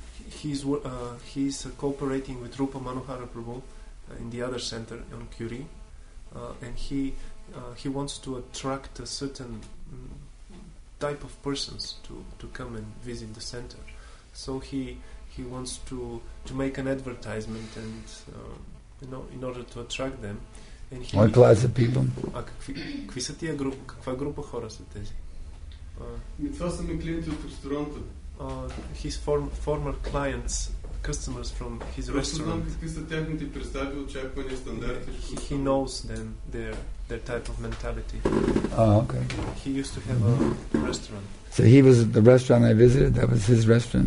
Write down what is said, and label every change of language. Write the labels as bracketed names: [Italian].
[English] He's cooperating with Rupa Manohara Prabhu in the other center on Curie, and he wants to attract a certain type of persons to come and visit the center. So he wants to make an advertisement and in order to attract them. And what class of people? [Bulgarian] Какви са тия група? Каква група хора са тези? Това са ми клиенти от ресторанта. [English] His former clients, customers from his restaurant. He knows them, their type of mentality. Oh, okay. He used to have a restaurant. So he was at the restaurant I visited? That was his restaurant?